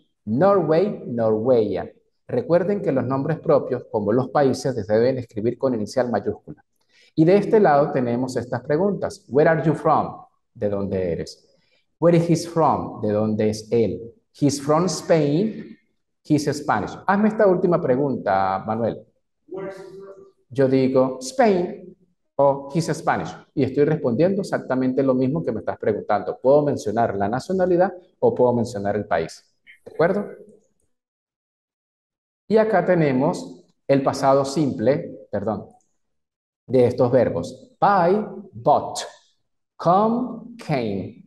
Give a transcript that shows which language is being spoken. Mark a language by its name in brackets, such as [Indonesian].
[English] Norway, Norwegian. [Spanish] Recuerden que los nombres propios, como los países, se deben escribir con inicial mayúscula. Y de este lado tenemos estas preguntas. [English] Where are you from? [Spanish] ¿De dónde eres? [English] Where is he from? [Spanish] ¿De dónde es él? [English] He's from Spain. He's Spanish. [Spanish] Hazme esta última pregunta, Manuel. Yo digo Spain o [English] he's Spanish. [Spanish] Y estoy respondiendo exactamente lo mismo que me estás preguntando. ¿Puedo mencionar la nacionalidad o puedo mencionar el país? ¿De acuerdo? Y acá tenemos el pasado simple, perdón, de estos verbos. [English] Buy, bought. Come, came.